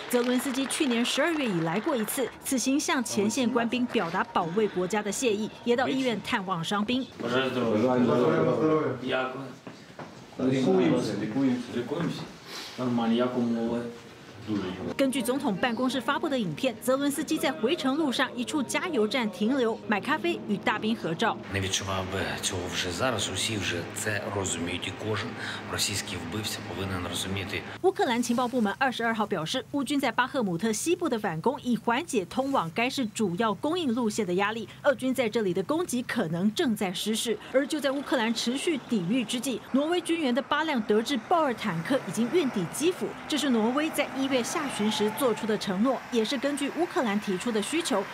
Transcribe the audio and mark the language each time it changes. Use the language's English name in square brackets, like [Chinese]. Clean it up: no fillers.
[Chinese] 泽伦斯基去年12月以来过一次，此行向前线官兵表达保卫国家的谢意，也到医院探望伤兵。根据总统办公室发布的影片，泽伦斯基在回程路上一处加油站停留，买咖啡与大兵合照。 [Ukrainian] Не відчуваю би цього вже зараз. Усі вже це розуміють. Кожен російський вбивця повинен розуміти. [Chinese] 乌克兰情报部门22号表示，乌军在巴赫姆特西部的反攻已缓解通往该市主要供应路线的压力，俄军在这里的攻击可能正在失势。而就在乌克兰持续抵御之际，挪威军援的8辆德制豹二坦克已经运抵基辅，这是挪威在1月下旬时做出的承诺，也是根据乌克兰提出的需求。